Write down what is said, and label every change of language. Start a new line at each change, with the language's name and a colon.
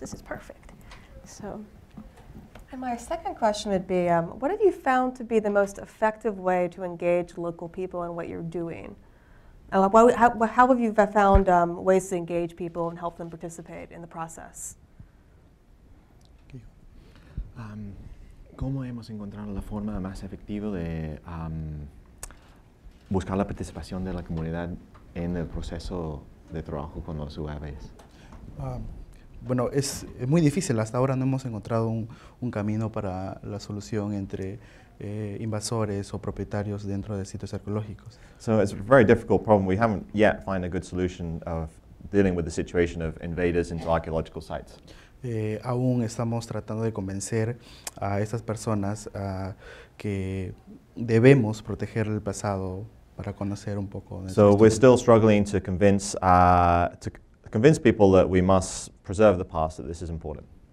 English: This is perfect. So. And my second question would be, what have you found to be the most effective way to engage local people in what you're doing? How have you found ways to engage people and help them participate in the process?
Spanish: ¿Cómo hemos encontrado la forma más efectiva de buscar la participación de la comunidad en el proceso de trabajo con los UAVs? Bueno, es muy difícil. Hasta ahora no hemos encontrado un camino para la solución entre invasores o propietarios dentro de sitios arqueológicos.
English: So it's a very difficult problem. We haven't yet found a good solution of dealing with the situation of invaders into archaeological sites.
Spanish: Aún estamos tratando de convencer a estas personas que debemos proteger el pasado para conocer un poco.
English: So we're still struggling to convince convince people that we must preserve the past, that this is important.